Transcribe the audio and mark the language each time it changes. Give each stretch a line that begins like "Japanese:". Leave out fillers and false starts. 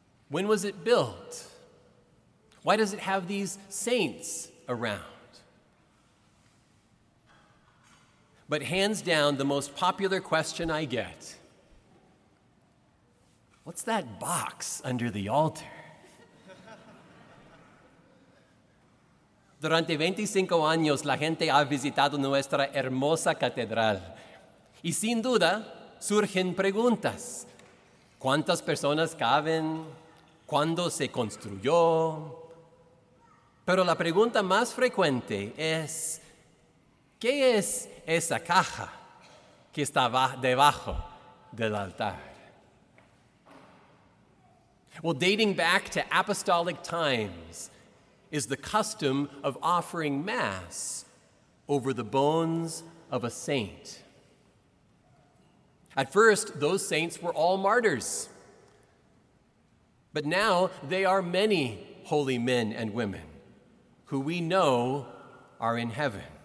English: When was it built? Why does it have these saints around? But hands down, the most popular question I get, what's that box under the altar?
Spanish: Durante 25 años, la gente ha visitado nuestra hermosa catedral. Y sin duda, surgen preguntas. ¿Cuántas personas caben? ¿Cuándo se construyó? Pero la pregunta más frecuente es, ¿qué es esa caja que está debajo del altar?
English: Well, dating back to apostolic times is the custom of offering mass over the bones of a saint. At first, those saints were all martyrs. But now, they are many holy men and women who we know are in heaven.